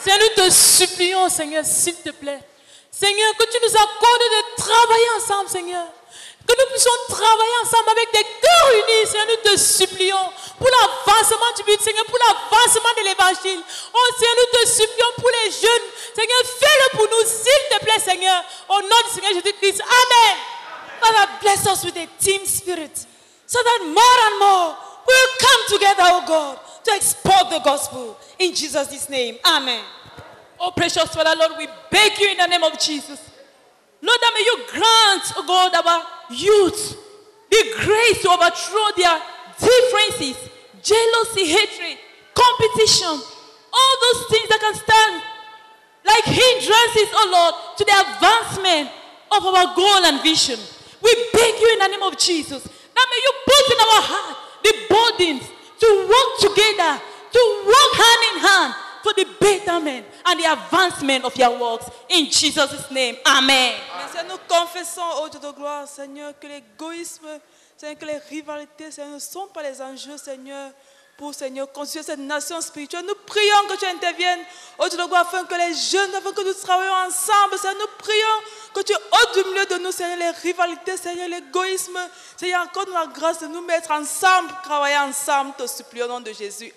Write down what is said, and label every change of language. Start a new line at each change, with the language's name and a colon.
French: Seigneur, nous te supplions, Seigneur, s'il te plaît. Seigneur, que tu nous accordes de travailler ensemble, Seigneur. Que nous puissions travailler ensemble avec des cœurs unis, Seigneur, nous te supplions pour l'avancement du but, Seigneur, pour l'avancement de l'évangile. Oh Seigneur, nous te supplions pour les jeunes. Seigneur, fais-le pour nous, s'il te plaît, Seigneur. Au nom du Seigneur Jésus-Christ. Amen.
English: Father, bless us with a team spirit. So that more and more we will come together, oh God, to export the gospel. In Jesus' name. Amen. Oh precious Father, Lord, we beg you in the name of Jesus. Lord, that may you grant, oh God, our youth the grace to overthrow their differences, jealousy, hatred, competition, all those things that can stand like hindrances, oh Lord, to the advancement of our goal and vision. We beg you in the name of Jesus that may you put in our heart the burdens to walk together, to walk hand in hand for the betterment and the advancement of your works. In Jesus' name, amen.
French: Nous confessons, ô Dieu de gloire, Seigneur, que l'égoïsme, Seigneur, que les rivalités, Seigneur, ne sont pas les enjeux, Seigneur, pour, Seigneur, construire cette nation spirituelle. Nous prions que tu interviennes, ô Dieu de gloire, afin que les jeunes, afin que nous travaillions ensemble, Seigneur, nous prions que tu ôtes du milieu de nous, Seigneur, les rivalités, Seigneur, l'égoïsme, Seigneur, accorde-nous la grâce de nous mettre ensemble, travailler ensemble, te supplions au nom de Jésus.